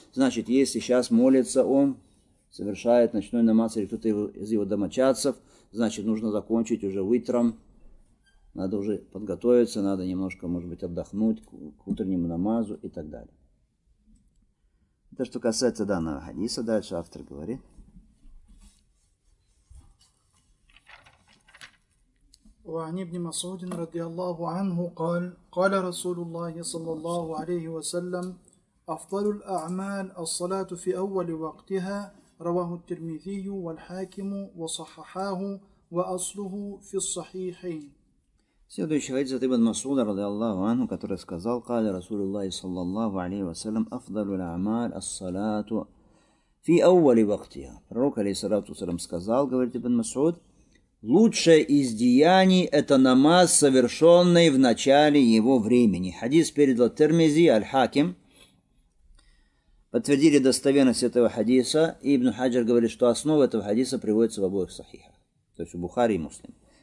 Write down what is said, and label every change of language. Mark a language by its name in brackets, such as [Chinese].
[Russian] Значит, если сейчас молится он, совершает ночной намаз, или кто-то из его домочадцев, значит, нужно закончить уже утром, надо уже подготовиться, надо немножко, может быть, отдохнуть к утреннему намазу и так далее. Это что касается данного хадиса, дальше автор говорит. [Arabic] وعن ابن مسعود رضي الله عنه قال قال رسول الله صلى الله عليه وسلم أفضل الأعمال الصلاة في أول وقتها رواه الترمذي والحاكم وصححاه وأصله في الصحيحين. [Russian] Следующий хадис от ابن مسعود رضي الله عنه, который сказал: [Arabic] قال رسول الله صلى الله عليه وسلم أفضل الأعمال الصلاة في أول وقتها. [Russian] Пророк, алейхиссалату ва салям, сказал, говорит ابن مسعود, Лучшее из деяний – это намаз, совершенный в начале его времени. Хадис передал Тирмизи, Аль-Хаким. Подтвердили достоверность этого хадиса. И Ибн Хаджар говорит, что основа этого хадиса приводится в обоих сахихах. То есть в Бухари и Муслим.